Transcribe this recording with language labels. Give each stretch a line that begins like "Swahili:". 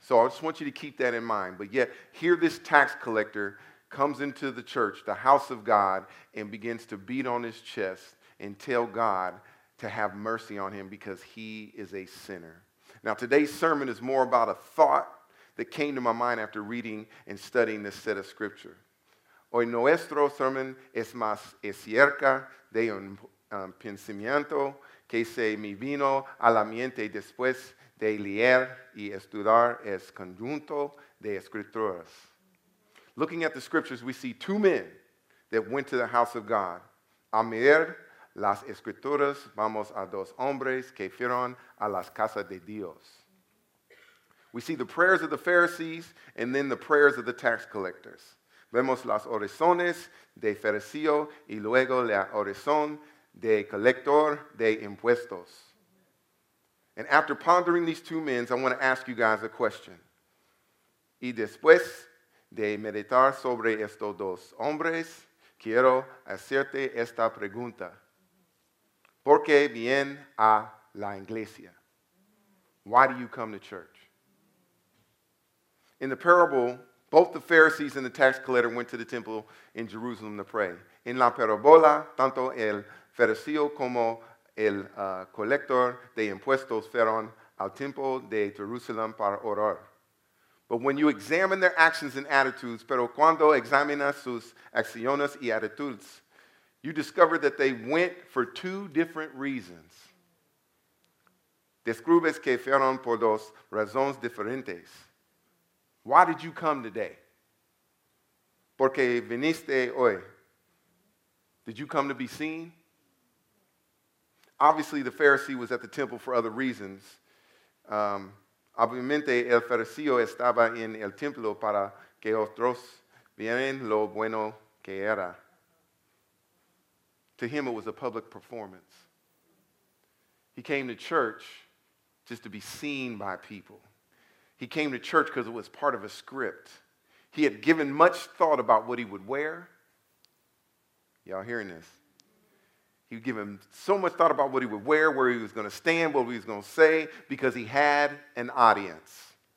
English: So I just want you to keep that in mind. But yet, here this tax collector comes into the church, the house of God, and begins to beat on his chest and tell God to have mercy on him because he is a sinner. Now, today's sermon is more about a thought that came to my mind after reading and studying this set of scripture.
Spanish: Hoy nuestro sermon es más cerca de un pensamiento que se me vino a la mente después de leer y estudiar el conjunto de escrituras.
English: Looking at the scriptures, we see two men that went to the house of God.
Spanish: A mirar las escrituras, vamos a dos hombres que fueron a las casas de Dios.
English: We see the prayers of the Pharisees and then the prayers of the tax collectors.
Spanish: Vemos las oraciones de fariseo y luego la oración de colector de impuestos.
English: And after pondering these two men, I want to ask you guys a question.
Spanish: Y después de meditar sobre estos dos hombres, quiero hacerte esta pregunta. ¿Por qué vienen a la iglesia?
English: Why do you come to church? In the parable, both the Pharisees and the tax collector went to the temple in Jerusalem to pray.
Spanish: In la parábola, tanto el fariseo como el colector de impuestos fueron al templo de Jerusalén para orar.
English: But when you examine their actions and attitudes,
Spanish: pero cuando examinas sus acciones y actitudes,
English: you discover that they went for two different reasons.
Spanish: Descubres que fueron por dos razones diferentes.
English: Why did you come today?
Spanish: Porque viniste hoy.
English: Did you come to be seen? Obviously, the Pharisee was at the temple for other reasons.
Spanish: Obviamente, el fariseo estaba en el templo para que otros vieran lo bueno que era.
English: To him, it was a public performance. He came to church just to be seen by people. He came to church because it was part of a script. He had given much thought about what he would wear. Y'all hearing this? He had given so much thought about what he would wear, where he was going to stand, what he was going to say, because he had an audience.